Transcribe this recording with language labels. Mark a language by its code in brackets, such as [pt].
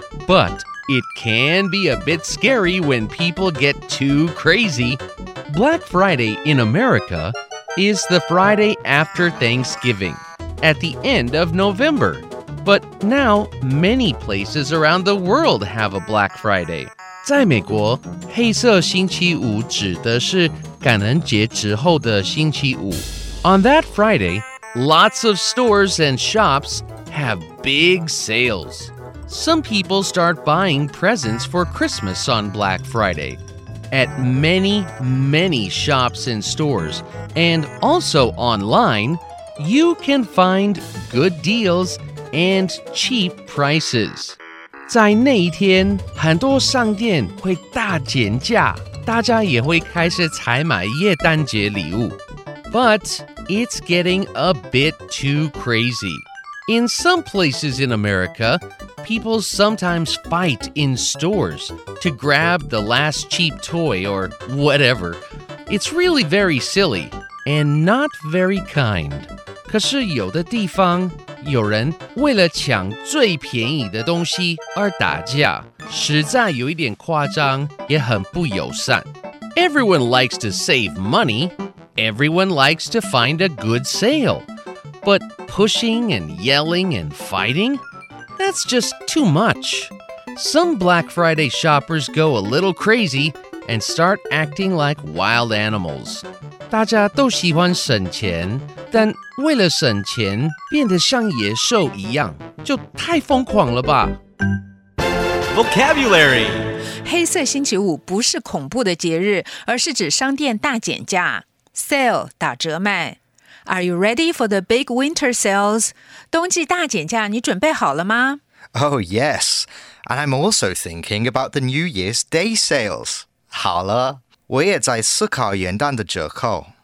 [en] But it can be a bit scary when people get too crazy. Black Friday in America is the Friday after Thanksgiving, at the end of November. But now, many places around the world have a Black Friday. [zh] 在美国，黑色星期五指的是感恩节之后的星期五。 [en] On that Friday, lots of stores and shops have big sales. Some people start buying presents for Christmas on Black Friday. At many, many shops and stores, and also online, you can find good deals and cheap prices. [zh] 在那一天，很多商店会大减价，大家也会开始采买耶诞节礼物。 [en] But it's getting a bit too crazy. In some places in America, people sometimes fight in stores to grab the last cheap toy or whatever. It's really very silly and not very kind. [zh] 可是有的地方有人为了抢最便宜的东西而打架，实在有一点夸张，也很不友善。 [en] Everyone likes to save money. Everyone likes to find a good sale. But pushing and yelling and fighting? That's just too much. Some Black Friday shoppers go a little crazy and start acting like wild animals. [zh] 大家都喜欢省钱，但为了省钱变得像野兽一样，就太疯狂了吧。 [en] Vocabulary. [zh] 黑色星期五不是恐怖的节日，而是指商店大减价。 Sale, 打折卖。 [en] Are you ready for the big winter sales? [zh] 冬季大减价，你准备好了吗？ [en] Oh, yes. And I'm also thinking about the New Year's Day sales. [zh] 好了，我也在思考元旦的折扣。